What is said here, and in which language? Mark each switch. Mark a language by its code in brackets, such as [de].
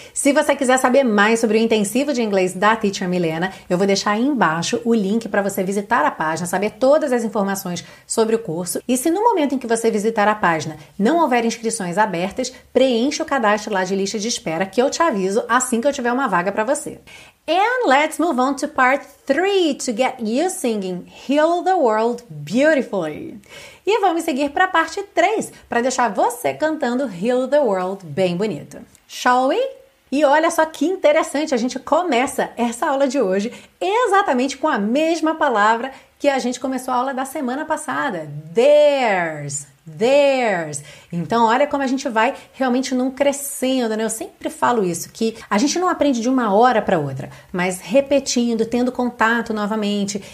[pt] Se você quiser saber mais sobre o intensivo de inglês da Teacher Milena, eu vou deixar aí embaixo o link para você visitar a página, saber todas as informações sobre o curso. E se no momento em que você visitar a página não houver inscrições abertas, preencha o cadastro lá de lista de espera que eu te aviso assim que eu tiver uma vaga para você. [en] And let's move on to part 3 to get you singing Heal the World Beautifully. [pt] E vamos seguir para a parte 3, para deixar você cantando Heal the World bem bonito. Shall we? E olha só que interessante, a gente começa essa aula de hoje exatamente com a mesma palavra que a gente começou a aula da semana passada. There's. There's. Então, olha como a gente vai realmente num crescendo, né? Eu sempre falo isso, que a gente não aprende de uma hora para outra, mas repetindo, tendo contato novamente.